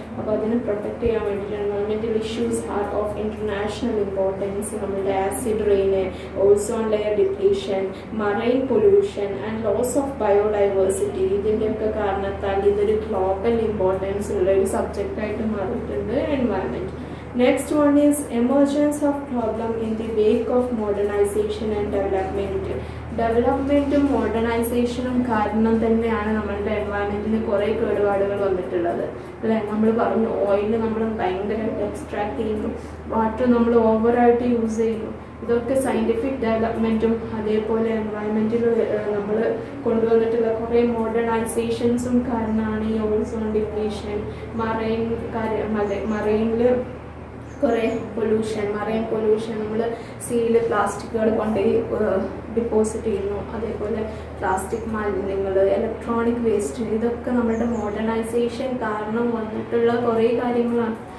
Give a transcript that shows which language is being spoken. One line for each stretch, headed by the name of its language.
Malayalam: അപ്പോൾ അതിനെ പ്രൊട്ടക്ട് ചെയ്യാൻ വേണ്ടിയിട്ടാണ്
English: എൻവയോൺമെന്റൽ issues R of international importance.
Malayalam: നമ്മുടെ acid rain, ozone layer depletion, marine pollution and loss of biodiversity, ഇതിൻ്റെയൊക്കെ കാരണത്താൽ ഇതൊരു ഗ്ലോബൽ ഇമ്പോർട്ടൻസ് ഉള്ള ഒരു സബ്ജക്റ്റായിട്ട് മാറിയിട്ടുണ്ട് environment.
English: Next one is emergence of problem in the wake of modernization and development.
Malayalam: ഡെവലപ്മെൻറ്റും മോഡേണൈസേഷനും കാരണം തന്നെയാണ് നമ്മളുടെ എൻവയോൺമെന്റിന് കുറേ കേടുപാടുകൾ വന്നിട്ടുള്ളത് അല്ലേ. നമ്മൾ പറഞ്ഞു ഓയിൽ നമ്മൾ ഭയങ്കരമായിട്ട് എക്സ്ട്രാക്ട് ചെയ്യുന്നു, വാട്ടർ നമ്മൾ ഓവറായിട്ട് യൂസ് ചെയ്യുന്നു. ഇതൊക്കെ സയൻറ്റിഫിക് ഡെവലപ്മെൻറ്റും അതേപോലെ എൻവയോൺമെന്റിൽ നമ്മൾ കൊണ്ടുവന്നിട്ടുള്ള കുറേ മോഡേണൈസേഷൻസും കാരണമാണ് ഈ ഓസോൺ ഡിപ്ലീഷൻ, മറൈൻ മറൈനില് കുറേ പൊല്യൂഷൻ, മറൈൻ പൊല്യൂഷൻ നമ്മൾ സീയില് പ്ലാസ്റ്റിക്കുകൾ കൊണ്ട് ഡിപ്പോസിറ്റ് ചെയ്യുന്നു, അതേപോലെ പ്ലാസ്റ്റിക് മാലിന്യങ്ങൾ, ഇലക്ട്രോണിക് വേസ്റ്റ്, ഇതൊക്കെ നമ്മുടെ മോഡേണൈസേഷൻ കാരണം വന്നിട്ടുള്ള കുറേ കാര്യങ്ങളാണ്.